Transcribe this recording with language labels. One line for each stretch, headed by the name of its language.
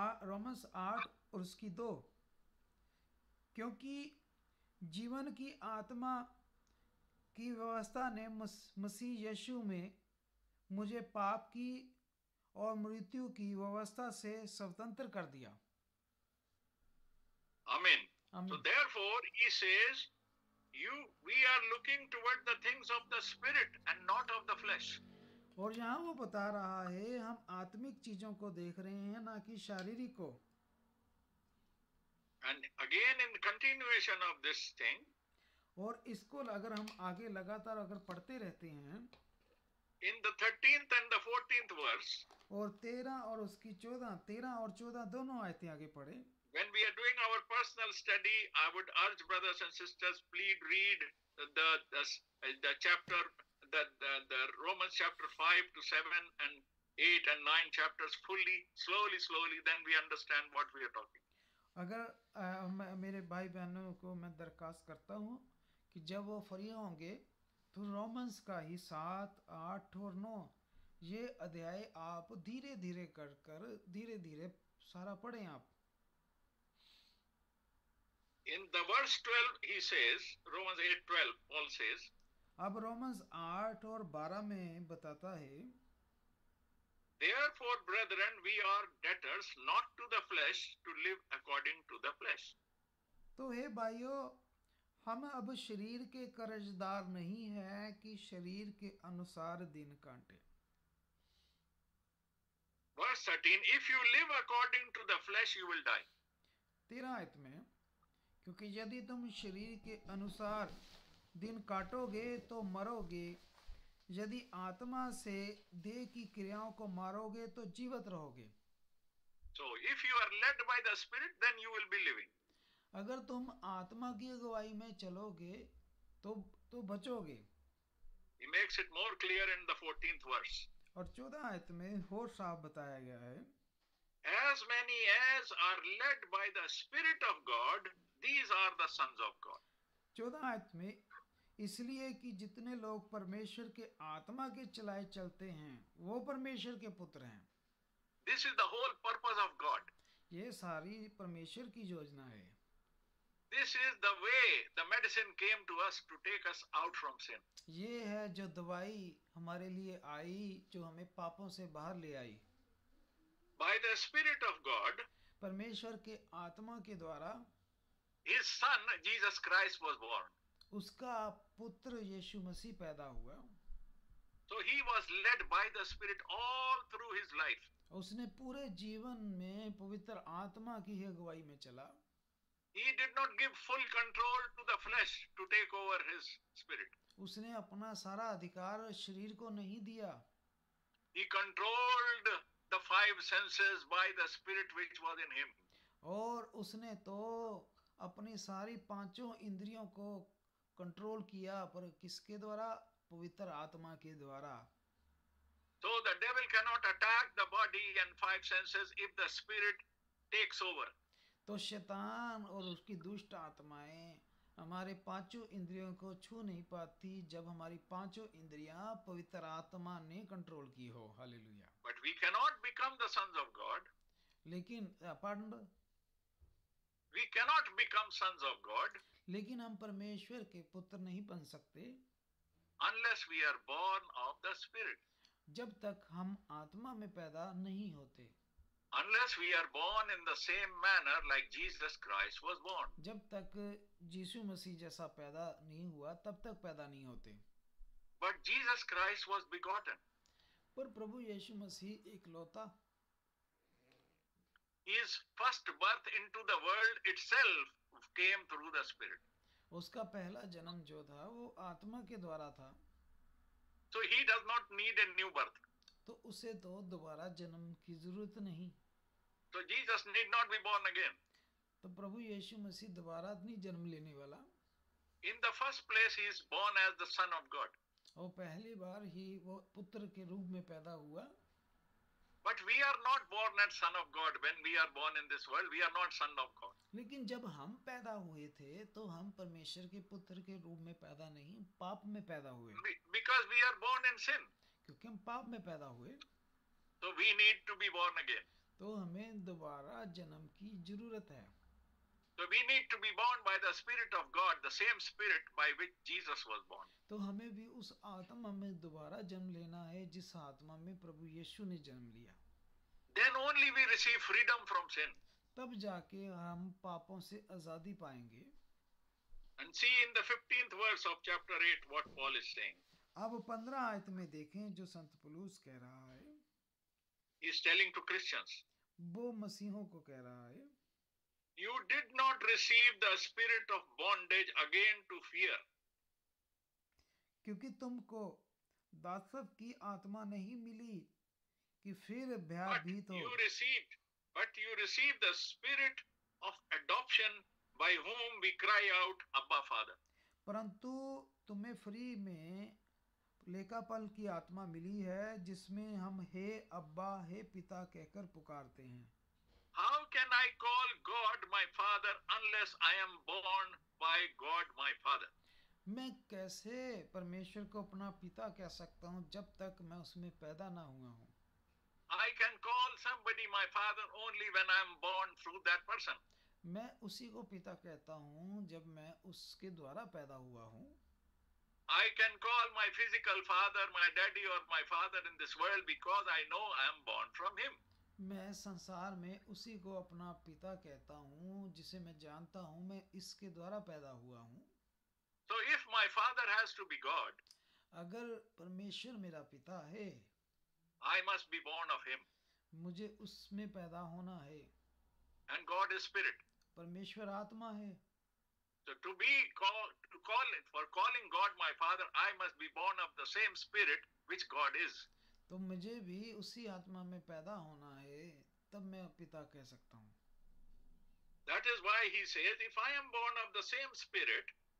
Hindi: Romans 8 और उसकी 2, क्योंकि जीवन की आत्मा की व्यवस्था ने मसीह यीशु में मुझे पाप की और मृत्यु की व्यवस्था से स्वतंत्र कर दिया। आमीन।
English: So therefore he says, we are looking toward the things of the spirit and not of the flesh.
Hindi: और यहाँ वो बता रहा है हम आत्मिक चीजों को देख रहे हैं ना कि शारीरिक को।
English: And again in continuation of this thing,
Hindi: और इसको अगर हम आगे लगातार अगर पढ़ते रहते हैं,
English: in the 13th and the 14th verse,
Hindi: और 13 और उसकी 14, 13 और 14 दोनों आयतें आगे पढ़े,
English: when we are doing our personal study, I would urge brothers and sisters, please read the chapter, the Romans chapter 5 to 7 and 8 and 9 chapters fully, slowly, slowly, then we understand what we are talking.
Hindi: अगर मेरे भाई बहनों को मैं दरखास्त करता हूँ कि जब वो फ्री होंगे तो रोमन्स का ही 7, 8 और 9 ये अध्याय आप धीरे धीरे कर कर धीरे धीरे सारा पढ़ें आप।
English: In the verse 12 he says, Romans 8:12, Paul says,
Hindi: अब रोमन्स 8 और 12 में बताता है,
English: Therefore, brethren, we are debtors not to the flesh to live according to the flesh.
Hindi: तो हे भाइयो, हम अब शरीर के कर्जदार नहीं हैं कि शरीर के अनुसार दिन काटे।
English: Verse 13, if you live according to the flesh, you will die.
Hindi: 13 आयत में, क्योंकि यदि तुम शरीर के अनुसार दिन काटोगे तो मरोगे, यदि आत्मा से देह की क्रियाओं को मारोगे तो जीवित रहोगे।
English: So if you are led by the spirit, then you will be living.
Hindi: अगर तुम आत्मा की अगुवाई में चलोगे तो बचोगे।
English: He makes it more clear in the 14th verse.
Hindi: और 14 आयत में और साफ बताया गया है,
English: As many as are led by the spirit of God, these are the sons of God.
Hindi: 14 आयत में, इसलिए कि जितने लोग परमेश्वर के आत्मा के चलाए चलते हैं वो परमेश्वर के पुत्र हैं।
English: This is the whole purpose of God.
Hindi: ये सारी परमेश्वर की योजना है।
English: This is the way the medicine came to us to take us out from sin.
Hindi: ये है जो दवाई हमारे लिए आई जो हमें पापों से बाहर ले आई.
English: By the Spirit of God.
Hindi: परमेश्वर के आत्मा के द्वारा.
English: His Son Jesus Christ was born.
Hindi: उसका पुत्र यीशु मसीह पैदा हुआ.
English: So he was led by the Spirit all through his life.
Hindi: उसने पूरे जीवन में पवित्र आत्मा की ही अगुवाई में चला.
English: He did not give full control to the flesh to take over his spirit.
Hindi: उसने अपना सारा अधिकार शरीर को नहीं दिया.
English: He controlled the five senses by the spirit which was in him.
Hindi: और उसने तो अपनी सारी पांचों इंद्रियों को कंट्रोल किया पर किसके द्वारा? पवित्र आत्मा के द्वारा.
English: So the devil cannot attack the body and five senses if the spirit takes over.
Hindi: तो शैतान और उसकी दुष्ट आत्माएं हमारे पांचों इंद्रियों को छू नहीं पाती जब हमारी पांचों इंद्रियां पवित्र आत्मा ने कंट्रोल की हो. Hallelujah.
English: But we cannot become the sons of God.
Hindi: लेकिन pattern.
English: We cannot become sons of God.
Hindi: लेकिन हम परमेश्वर के पुत्र नहीं बन सकते.
English: Unless we are born of the Spirit.
Hindi: जब तक हम आत्मा में पैदा नहीं होते.
English: Unless we are born in the same manner like Jesus Christ was born.
Hindi: जब तक यीशु मसीह जैसा पैदा नहीं हुआ तब तक पैदा नहीं होते.
English: But Jesus Christ was begotten.
Hindi: पर प्रभु यीशु मसीह इकलौता.
English: His first birth into the world itself came through the Spirit.
Hindi: उसका पहला जन्म जो था वो आत्मा के द्वारा था.
English: So he does not need a new birth.
Hindi: तो उसे तो दोबारा जन्म की जरूरत नहीं.
English: So Jesus need not be born again.
Hindi: तो प्रभु यीशु मसीह दोबारा नहीं जन्म लेने वाला.
English: In the first place he is born as the Son of God.
Hindi: और पहली बार ही वो पुत्र के रूप में पैदा हुआ.
English: But we are not born as son of God when we are born in this world. We are not son of God.
Hindi: लेकिन जब हम पैदा हुए थे तो हम परमेश्वर के पुत्र के रूप में पैदा नहीं पाप में पैदा हुए.
English: Because we are born in sin.
Hindi: क्योंकि हम पाप में पैदा हुए.
English: So we need to be born again.
Hindi: तो हमें दोबारा जन्म की जरूरत है.
English: So we need to be born by the Spirit of God, the same Spirit by which Jesus was born.
Hindi: तो हमें भी उस आत्मा में दोबारा जन्म लेना है जिस आत्मा में प्रभु यीशु ने जन्म लिया.
English: Then only we receive freedom from sin.
Hindi: तब जाके हम पापों से आजादी पाएंगे.
English: And see in the 15th verse of chapter 8 what Paul is saying.
Hindi: अब 15 आयत में देखें जो संत पौलुस कह रहा है.
English: He is telling to Christians.
Hindi: वो मसीहों को कह रहा है.
English: You did not receive the spirit of bondage again to fear.
Hindi: क्योंकि तुमको दासत्व की आत्मा नहीं मिली कि फिर भयभीत हो.
English: But you received the spirit of adoption by whom we cry out Abba Father.
Hindi: परंतु तुम्हें फ्री में लेकापल की आत्मा मिली है जिसमें हम हे अब्बा हे पिता कहकर पुकारते हैं.
English: How can I call God my father unless I am born by God my father?
Hindi: मैं कैसे परमेश्वर को अपना पिता कह सकता हूँ जब तक मैं उसमें पैदा ना हुआ हूँ?
English: I can call somebody my father only when I am born through that person.
Hindi: मैं उसी को पिता कहता हूँ जब मैं उसके द्वारा पैदा हुआ हूँ.
English: I can call my physical father, my daddy or my father in this world because I know I am born from him.
Hindi: मैं संसार में उसी को अपना पिता कहता हूँ जिसे मैं जानता हूँ मैं इसके द्वारा पैदा हुआ हूँ.
English: So if my father has to be God,
Hindi: अगर परमेश्वर मेरा पिता है,
English: I must be born of him.
Hindi: मुझे उसमें पैदा होना है.
English: And God is spirit.
Hindi: परमेश्वर आत्मा है.
English: So to be called, to call it, for calling God my father, I must be born of the same spirit which God is.
Hindi: तो मुझे भी उसी आत्मा में पैदा होना है तब मैं पिता कह सकता हूँ.
English: That is why he says, if I am born of the same spirit,